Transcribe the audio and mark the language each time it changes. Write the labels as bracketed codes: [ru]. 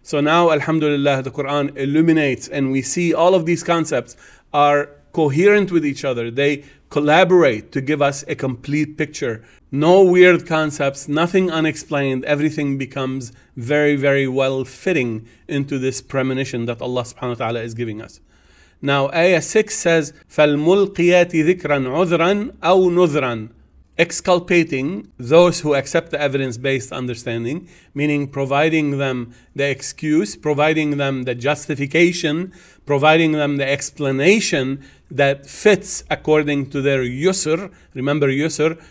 [en] So now, alhamdulillah, the Quran illuminates and we see all of these concepts are coherent with each other. They collaborate to give us a complete picture. No weird concepts, nothing unexplained. Everything becomes very, very well fitting into this premonition that Allah subhanahu wa ta'ala is giving us. Now, ayah 6 says, [ar] فَالْمُلْقِيَاتِ ذِكْرًا عُذْرًا أَوْ نُذْرًا. [en] Exculpating those who accept the evidence-based understanding, meaning providing them the excuse, providing them the justification, providing them the explanation that fits according to their yusr. Remember yusr.